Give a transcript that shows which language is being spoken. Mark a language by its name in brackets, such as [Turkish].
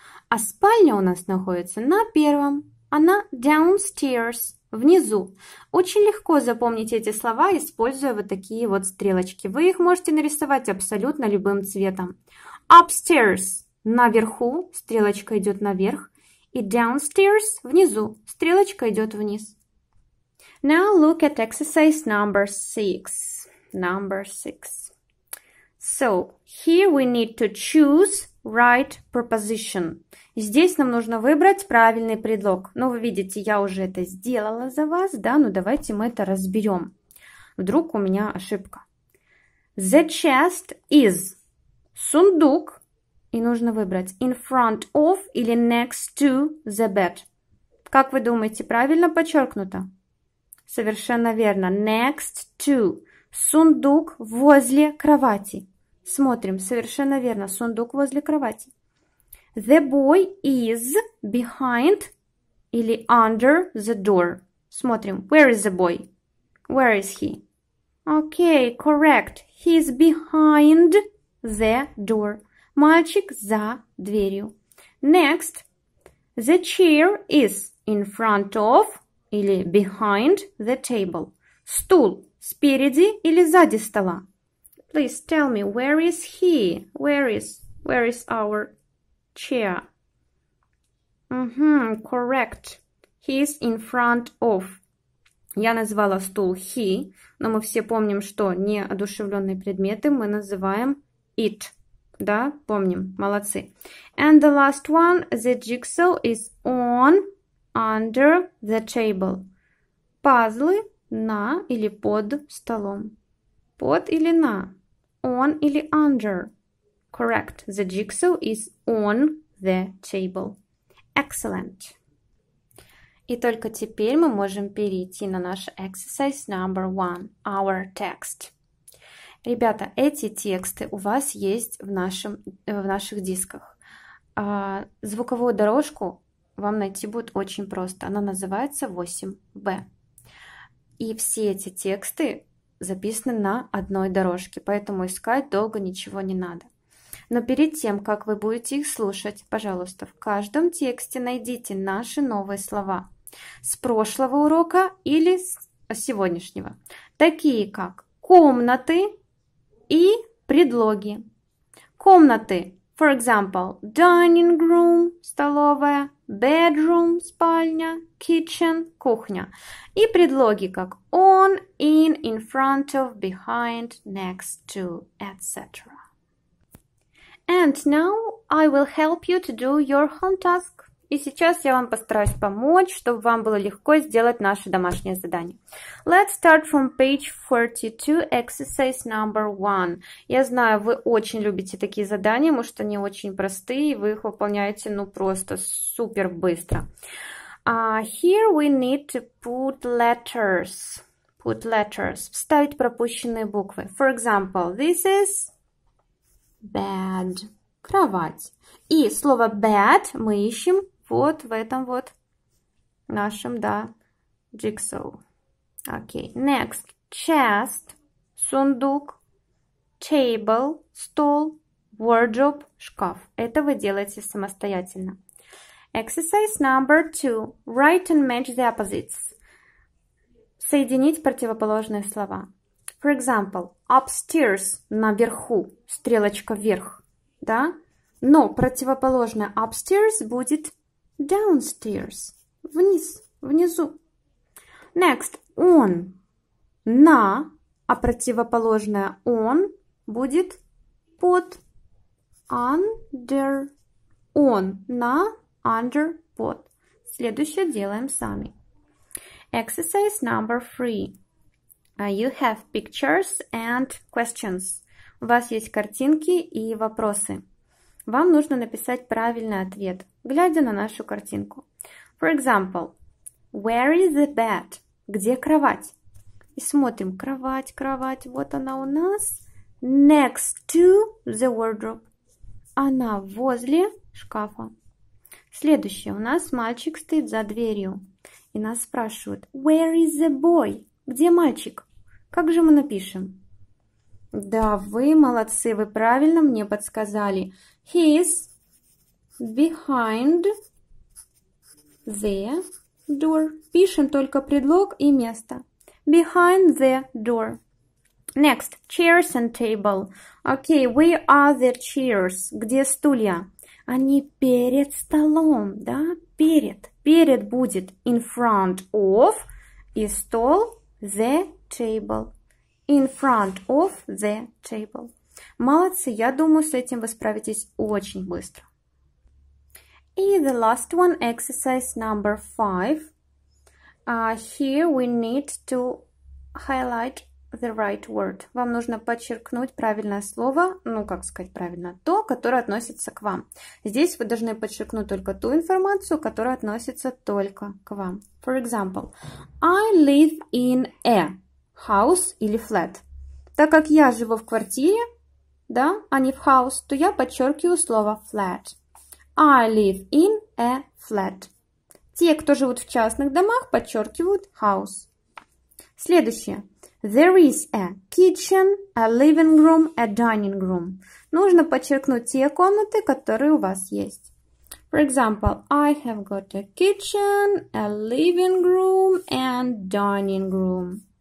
[Russian] А спальня у нас находится на первом, она downstairs. Внизу. Очень легко запомнить эти слова, используя вот такие вот стрелочки. Вы их можете нарисовать абсолютно любым цветом. Upstairs – наверху, стрелочка идет наверх. И downstairs – внизу. Стрелочка идет вниз. [English] Now look at exercise number 6. Number 6. So, here we need to choose right preposition. [Russian] Здесь нам нужно выбрать правильный предлог. Ну, вы видите, я уже это сделала за вас, да? Ну, давайте мы это разберем. Вдруг у меня ошибка. [English] The chest is сундук. [Russian] И нужно выбрать [English] in front of или next to the bed. [Russian] Как вы думаете, правильно подчеркнуто? Совершенно верно. [English] Next to. [Russian] Сундук возле кровати. Смотрим. Совершенно верно. Сундук возле кровати. [English] The boy is behind или under the door. [Russian] Смотрим. [English] Where is the boy? Where is he? Okay, correct. He is behind the door. [Russian] Мальчик за дверью. [English] Next. The chair is in front of или behind the table. [Russian] Стул спереди или сзади стола? [English] Please tell me, where is he? Where is our chair? Correct. He is in front of. [Russian] Я назвала стул he, но мы все помним, что неодушевленные предметы мы называем it. Да, помним. Молодцы. [English] And the last one, the jigsaw is on under the table. [Russian] Пазлы на или под столом. Под или на. [English] On или under. Correct. The jigsaw is on the table. Excellent. [Russian] И только теперь мы можем перейти на наш [English] exercise number one. Our text. [Russian] Ребята, эти тексты у вас есть в наших дисках. Звуковую дорожку вам найти будет очень просто. Она называется 8b. И все эти тексты записаны на одной дорожке, поэтому искать долго ничего не надо. Но перед тем, как вы будете их слушать, пожалуйста, в каждом тексте найдите наши новые слова с прошлого урока или с сегодняшнего. Такие как комнаты и предлоги. [English] Комнаты, for example, dining room, столовая, bedroom, спальня, kitchen, кухня. [Russian] И предлоги, как [English] on, in front of, behind, next to, etc. And now I will help you to do your home task. [Russian] И сейчас я вам постараюсь помочь, чтобы вам было легко сделать наше домашнее задание. [English] Let's start from page 42, exercise number 1. [Russian] Я знаю, вы очень любите такие задания, потому что они очень простые, и вы их выполняете, ну, просто супер быстро. [English] Here we need to put letters. Put letters. [Russian] Вставить пропущенные буквы. [English] For example, this is bed. [Russian] Кровать. И слово bed мы ищем вот в этом вот нашем, да, jigsaw. [English] Окей. Next. Chest. Сундук. Table. Стол. Wardrobe. Шкаф. [Russian] Это вы делаете самостоятельно. [English] Exercise number 2. Write and match the opposites. [Russian] Соединить противоположные слова. [English] For example, upstairs. [Russian] Наверху. Стрелочка вверх. Да? Но противоположное upstairs будет downstairs. Вниз, внизу. [English] Next, on. [Russian] На, а противоположное on будет под. [English] Under. On, на, under, под. [Russian] Следующее делаем сами. [English] Exercise number 3. You have pictures and questions. [Russian] У вас есть картинки и вопросы. Вам нужно написать правильный ответ, глядя на нашу картинку. [English] For example, where is the bed? [Russian] Где кровать? И смотрим, кровать, вот она у нас. [English] Next to the wardrobe. [Russian] Она возле шкафа. Следующее, у нас мальчик стоит за дверью. И нас спрашивают, [English] where is the boy? [Russian] Где мальчик? Как же мы напишем? Да, вы молодцы, вы правильно мне подсказали. [English] He is behind the door. [Russian] Пишем только предлог и место. [English] Behind the door. Next, chairs and table. Okay, where are the chairs? [Russian] Где стулья? а не перед столом, да? Перед. Перед будет [English] in front of, [Russian] и стол [English] the table. In front of the table. [Russian] Молодцы, я думаю, с этим вы справитесь очень быстро. [English] И the last one, exercise number 5. Here we need to highlight the right word. [Russian] Вам нужно подчеркнуть правильное слово, ну, как сказать правильно, то, которое относится к вам. Здесь вы должны подчеркнуть только ту информацию, которая относится только к вам. [English] For example, I live in a house или flat. [Russian] Так как я живу в квартире, да, а не в house, то я подчеркиваю слово flat. [English] I live in a flat. [Russian] Те, кто живут в частных домах, подчеркивают house. Следующее. [English] There is a kitchen, a living room, a dining room. [Russian] Нужно подчеркнуть те комнаты, которые у вас есть. [English] For example, I have got a kitchen, a living room and dining room.